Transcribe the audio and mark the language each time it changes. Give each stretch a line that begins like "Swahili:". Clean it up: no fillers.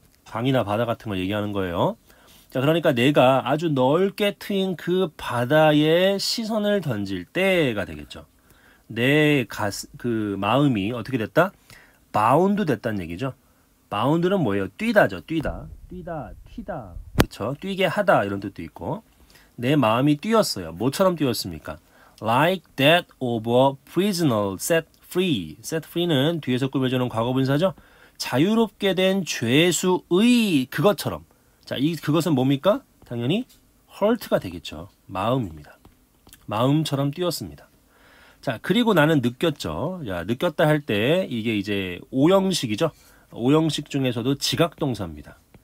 Korean: 강이나 바다 같은 걸 얘기하는 거예요. 자, 그러니까 내가 아주 넓게 트인 그 바다에 시선을 던질 때가 되겠죠. 내 그 마음이 어떻게 됐다? 바운드 됐다는 얘기죠. 바운드는 뭐예요? 뛰다죠. 뛰다. 뛰다. 튀다. 그렇죠? 뛰게 하다 이런 뜻도 있고. 내 마음이 뛰었어요. 뭐처럼 뛰었습니까?
English: Like that of a prisoner set free.
Korean: Set free는 뒤에서 꾸며주는 과거분사죠. 자유롭게 된 죄수의 그것처럼. 자, 이 그것은 뭡니까? 당연히 hurt가 되겠죠. 마음입니다. 마음처럼 뛰었습니다. 자, 그리고 나는 느꼈죠. 야, 느꼈다 할 때 이게 이제 5형식이죠. 5형식 중에서도 지각동사입니다.